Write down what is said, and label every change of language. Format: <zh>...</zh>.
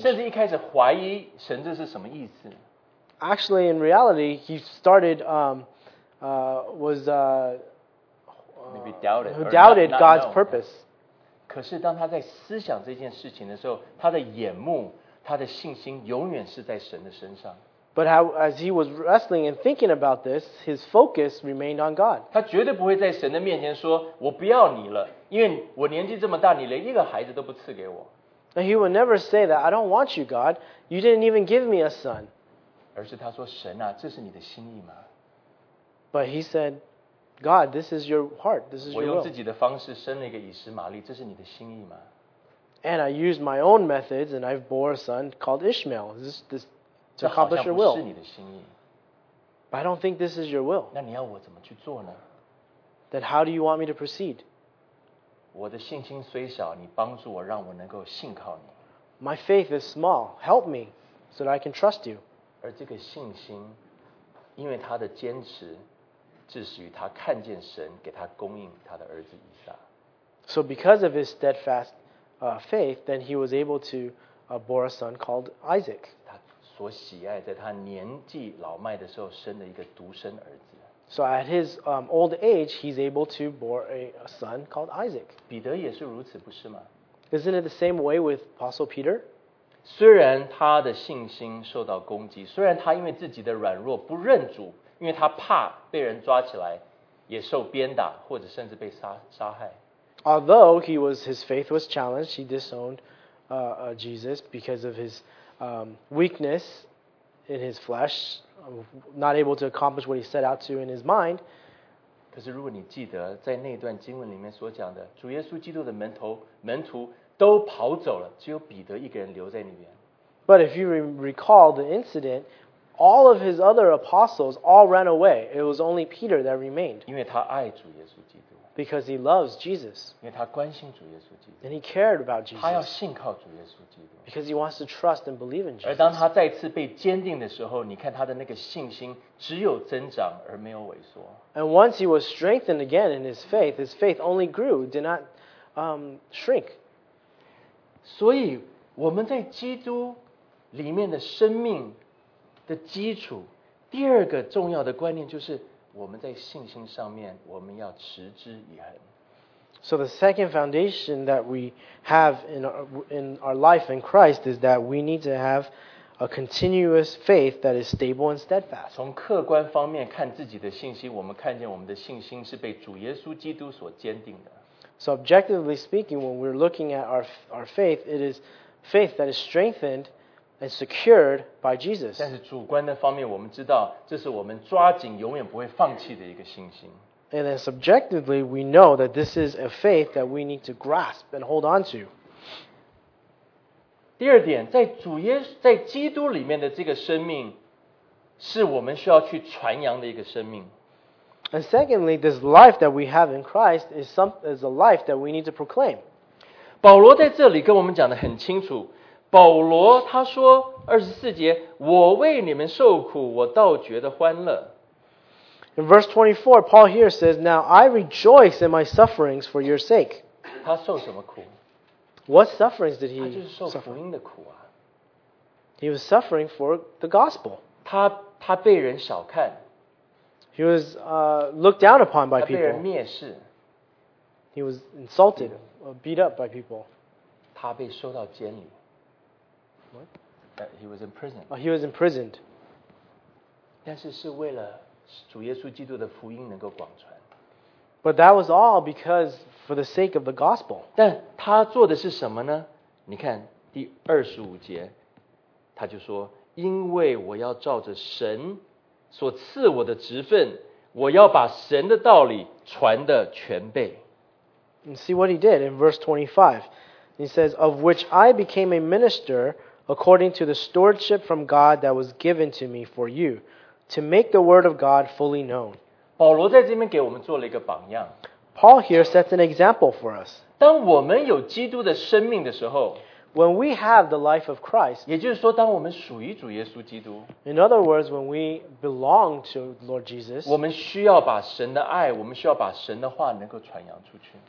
<zh>甚至一开始怀疑神这是什么意思。</zh> <en>Actually, in reality, he started maybe doubted God's purpose.</en> <zh>可是当他在思想这件事情的时候，他的眼目，他的信心永远是在神的身上。</zh> <en>But how, as he was wrestling and thinking about this, his focus remained on God.</en> <zh>他绝对不会在神的面前说，我不要你了，因为我年纪这么大，你连一个孩子都不赐给我。</zh> <en>And he would never say that, I don't want you, God. You didn't even give me a son.</en> <zh>而是他说，神啊，这是你的心意吗？</zh> <en>But he said, God, this is your heart, this is your will.</en> <zh>我用自己的方式生了一个以实玛利，这是你的心意吗？</zh> <en>And I used my own methods, and I bore a son called Ishmael. This to accomplish your will.</en> <zh>这好像不是你的心意。</zh> <en>But I don't think this is your will.</en> <zh>那你要我怎么去做呢？</zh> <en>Then how do you want me to proceed?</en> <zh>我的信心虽小，你帮助我，让我能够信靠你。</zh> <en>My faith is small. Help me so that I can trust you.</en> <zh>而这个信心，因为他的坚持，致使于他看见神给他供应他的儿子以撒。</zh> <en>So because of his steadfast faith, then he was able to bore a son called Isaac.</en> <zh>他所喜爱在他年纪老迈的时候生了一个独生儿子。</zh> <en>So at his old age, he's able to bore a son called Isaac.</en> <zh>彼得也是如此，不是吗？</zh> <en>Isn't it the same way with Apostle Peter?</en> <zh>虽然他的信心受到攻击，虽然他因为自己的软弱不认主，因为他怕被人抓起来，也受鞭打，或者甚至被杀害。</zh> <en>Although his faith was challenged, he disowned Jesus because of his weakness in his flesh, not able to accomplish what he set out to in his mind.</en> <zh>可是如果你记得在那段经文里面所讲的，主耶稣基督的门徒都跑走了，只有彼得一个人留在那边。</zh> <en>But if you recall the incident, all of his other apostles all ran away. It was only Peter that remained.</en> <zh>因为他爱主耶稣基督。</zh> <en>Because he loves Jesus.</en> <zh>因为他关心主耶稣基督。</zh> <en>And he cared about Jesus.</en> <zh>他要信靠主耶稣基督。</zh> <en>Because he wants to trust and believe in Jesus.</en> <zh>而当他再次被坚定的时候，你看他的那个信心只有增长而没有萎缩。</zh> <en>And once he was strengthened again in his faith only grew, did not shrink.</en> <zh>所以我们在基督里面的生命的基础，第二个重要的观念就是我们在信心上面，我们要持之以恒。</zh> <en>So the second foundation that we have in our life in Christ is that we need to have a continuous faith that is stable and steadfast.</en> <zh>从客观方面看自己的信心，我们看见我们的信心是被主耶稣基督所坚定的。</zh> <en>So objectively speaking, when we're looking at our faith, it is faith that is strengthened and secured by Jesus.</en> <zh>但是主观的方面，我们知道这是我们抓紧永远不会放弃的一个信心。</zh> <en>And then subjectively, we know that this is a faith that we need to grasp and hold on to.</en> <zh>第二点，在主耶稣在基督里面的这个生命，是我们需要去传扬的一个生命。</zh> <en>And secondly, this life that we have in Christ is a life that we need to proclaim.</en> <zh>保罗在这里跟我们讲的很清楚。保罗他说二十四节，我为你们受苦，我倒觉得欢乐。</zh> <en>In verse 24, Paul here says, "Now I rejoice in my sufferings for your sake."</en> <zh>他受什么苦</zh> <en>？What sufferings did he suffer?</en> <zh>他就是受福音的苦啊。</zh> <en>He was suffering for the gospel.</en> <zh>他被人小看。</zh> <en>He was looked down upon by people.</en> <zh>他被人蔑视。</zh> <en>He was insulted, beat up by people.</en> <zh>他被收到监里。</zh> <en>What? He was in prison. He was imprisoned.</en> <zh>但是是为了主耶稣基督的福音能够广传。</zh> <en>But that was all because for the sake of the gospel.</en> <zh>但他做的是什么呢？你看第二十五节，他就说：“因为我要照着神所赐我的职分，我要把神的道理传得全备。”</zh> <en>And see what he did in verse 25. He says, "Of which I became a minister." According to the stewardship from God that was given to me for you, to make the word of God fully known.</en> <zh>保罗在这边给我们做了一个榜样。</zh> <en>Paul here sets an example for us.</en> <zh>当我们有基督的生命的时候</zh> <en>，when we have the life of Christ，</en> <zh>也就是说，当我们属于主耶稣基督</zh> <en>，in other words, when we belong to Lord Jesus，</en> <zh>我们需要把神的爱，我们需要把神的话能够传扬出去。</zh>